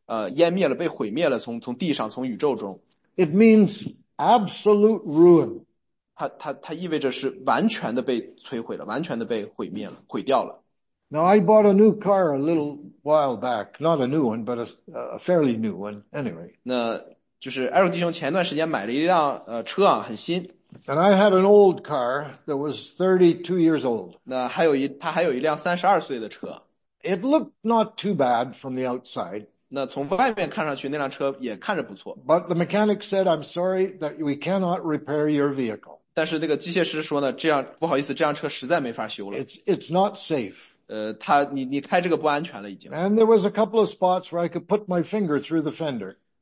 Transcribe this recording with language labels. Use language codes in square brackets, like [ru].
[zh] 那灭亡这个词呢,并不是指代着说你就消失了,你就湮灭了,被毁灭了,从地上,从宇宙中。 [en] It means absolute ruin. [zh] 它意味着是完全的被摧毁了,完全的被毁灭了,毁掉了。 [en] Now I bought a new car a little while back, not a new one, but a fairly new one, anyway. [zh] 那就是艾瑞弟兄前段时间买了一辆车啊,很新。 [en] And I had an old car that was 32 years old. [zh] 那还有一辆32岁的车。 [en] It looked not too bad from the outside. [zh] 那从外面看上去那辆车也看着不错。 [en] But the mechanic said, I'm sorry that we cannot repair your vehicle. [zh] 但是那个机械师说呢,这样,不好意思,这辆车实在没法修了。 [en] It's not safe. [zh] 你开这个不安全了已经。 [en] And there was a couple of spots where I could put my finger through the fender.